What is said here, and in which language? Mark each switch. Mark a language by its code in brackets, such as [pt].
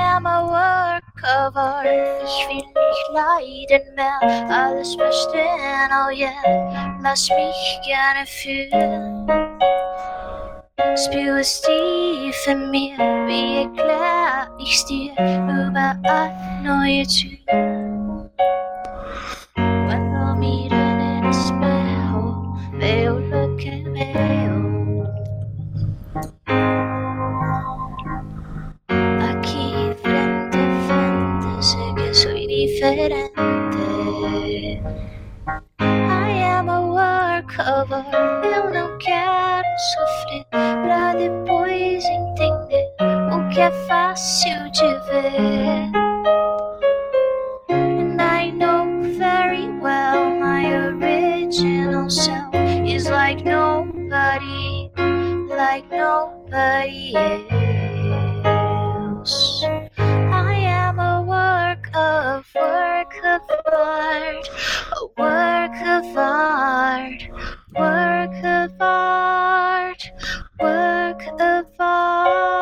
[de] Ich will nicht leiden mehr, alles verstehen, oh yeah. Lass mich gerne fühlen. Spüre es tief in mir, wie erklär ich's dir, überall neue Türen. [es] Cuando miren en espejo, veo lo que veo. Aquí frente a frente, sé que soy diferente. [en] I am a work of art, [pt] eu não quero sofrer, pra depois entender o que é fácil de ver. [en] And I know very well, my original self is like nobody, like nobody else. I am a work of art, a work of art, work of art, work of art.